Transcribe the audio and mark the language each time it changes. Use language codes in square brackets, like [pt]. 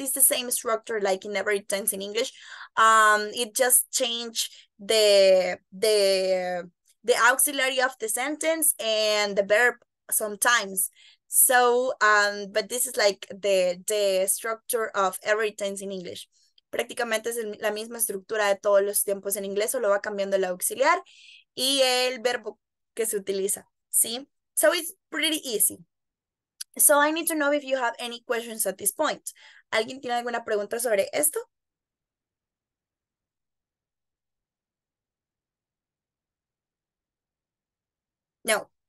[en] It's the same structure like in every tense in English. It just change the auxiliary of the sentence and the verb sometimes. So, but this is like the structure of every tense in English. [es] Prácticamente es la misma estructura de todos los tiempos en inglés, solo va cambiando el auxiliar y el verbo que se utiliza, ¿sí? [en] So it's pretty easy. So I need to know if you have any questions at this point. [es] ¿Alguien tiene alguna pregunta sobre esto? No.